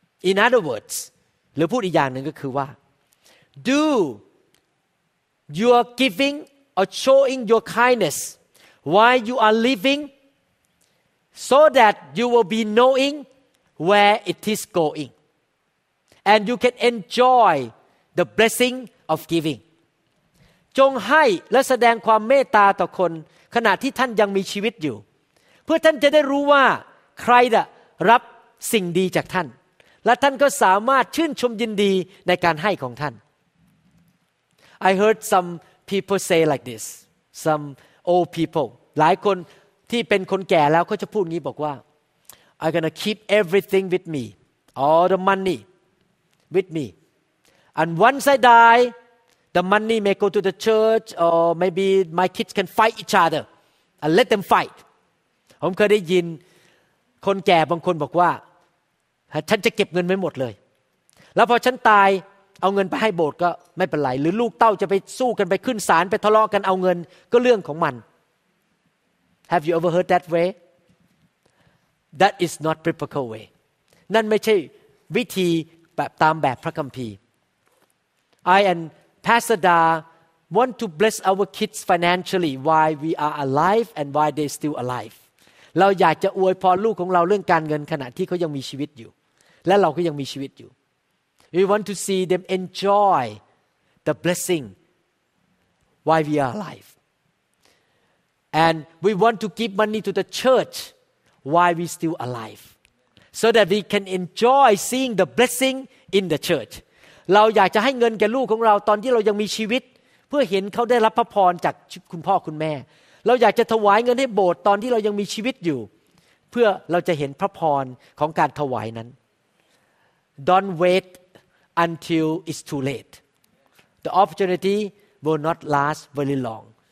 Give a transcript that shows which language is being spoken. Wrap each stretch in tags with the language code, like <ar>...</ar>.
<en>In other words,</en> <th>หรือพูดอีกอย่างหนึ่งก็คือว่า</th> <en>Do your giving or showing your kindness while you are living so that you will be knowing where it is going and you can enjoy the blessing of giving.</en> <th>จงให้และแสดงความเมตตาต่อคนขณะที่ท่านยังมีชีวิตอยู่เพื่อท่านจะได้รู้ว่าใครจะรับสิ่งดีจากท่านและท่านก็สามารถชื่นชมยินดีในการให้ของท่าน</th> <en>I heard some people say like this some old people</en> <th>หลายคนที่เป็นคนแก่แล้วเขาจะพูดงี้บอกว่า</th> <en>I'm gonna keep everything with me all the money with me and once I die the money may go to the church or maybe my kids can fight each other and let them fight</en> <th>ผมเคยได้ยินคนแก่บางคนบอกว่าฉันจะเก็บเงินไว้หมดเลยแล้วพอฉันตายเอาเงินไปให้โบสถ์ก็ไม่เป็นไรหรือลูกเต้าจะไปสู้กันไปขึ้นศาลไปทะเลาะกันเอาเงินก็เรื่องของมัน</th> <en>Have you ever heard that way? That is not biblical way.</en> <th>นั่นไม่ใช่วิธีแบบตามแบบพระคัมภีร์</th> <en>I and Pastor Da want to bless our kids financially while we are alive and while they still alive</en> <th>เราอยากจะอวยพรลูกของเราเรื่องการเงินขณะที่เขายังมีชีวิตอยู่และเราก็ยังมีชีวิตอยู่</th> <en>We want to see them enjoy the blessing while we are alive and we want to give money to the church while we still alive so that we can enjoy seeing the blessing in the church</en> <th>เราอยากจะให้เงินแก่ลูกของเราตอนที่เรายังมีชีวิตเพื่อเห็นเขาได้รับพระพรจากคุณพ่อคุณแม่เราอยากจะถวายเงินให้โบสถ์ตอนที่เรายังมีชีวิตอยู่เพื่อเราจะเห็นพระพรของการถวายนั้น</th> <en>Don't wait until it's too late. The opportunity will not last very long.</en>